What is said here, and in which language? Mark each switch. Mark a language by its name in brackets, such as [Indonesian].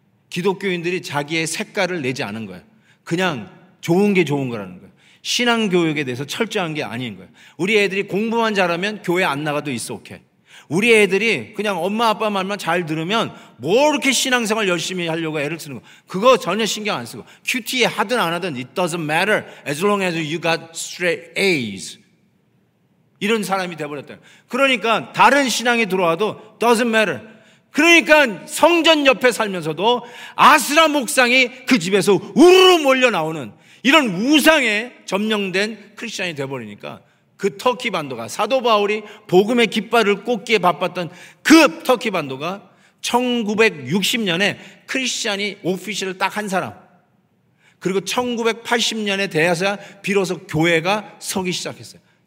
[Korean] 기독교인들이 자기의 색깔을 내지 않은 거야. 그냥 좋은 게 좋은 거라는 거야. 신앙 교육에 대해서 철저한 게 아닌 거예요. 우리 애들이 공부만 잘하면 교회 안 나가도 있어, 오케이. 우리 애들이 그냥 엄마 아빠 말만 잘 들으면 뭐 이렇게 신앙생활 열심히 하려고 애를 쓰는 거. 그거 전혀 신경 안 쓰고. QT에 하든 안 하든 [English] it doesn't matter as long as you got straight A's. [Korean] 이런 사람이 돼버렸다. 그러니까 다른 신앙이 들어와도 [English] doesn't matter. [Korean] 그러니까 성전 옆에 살면서도 아스라 목상이 그 집에서 우르르 몰려 나오는 이런 우상에 점령된 크리스천이 돼버리니까 그 터키 반도가 사도 바울이 복음의 깃발을 꽂기에 바빴던 그 터키 반도가 1960년에 크리스천이 오피셜을 딱 한 사람 그리고 1980년에 대야서야 비로소 교회가 서기 시작했어요.